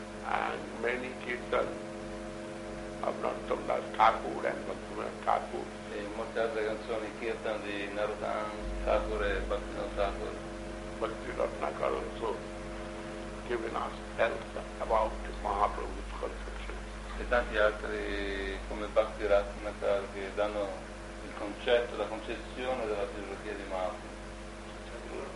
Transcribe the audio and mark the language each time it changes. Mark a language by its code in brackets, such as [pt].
[en] and many Kirtan of Narottam Das Thakur and Bhaktivinoda Thakur. [it] E molte altre canzoni Kirtan di Narottam Thakur e Bhaktivinoda Thakur. [en] Bhaktivinoda Thakur also given us help about Mahaprabhu's conception. [it] E tanti altri come Bhakti Ratnakar che danno il concetto, la concezione della trilogia di Mahaprabhu.